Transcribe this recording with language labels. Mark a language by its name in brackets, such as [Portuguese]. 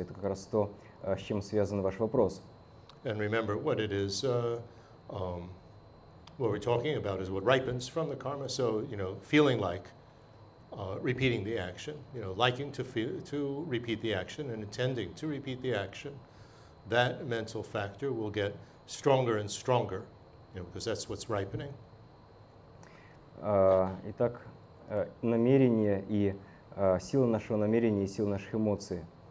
[Russian] Это как раз то, с чем связан ваш вопрос. [English] And remember, what it is, what we're talking about is what ripens from the karma. So, you know, feeling like repeating the action, you know, liking to feel, to repeat the action and intending to repeat the action, that mental factor will get stronger and stronger, you know, because that's what's ripening. [Russian] Итак, намерение и сила нашего намерения и сила наших эмоций.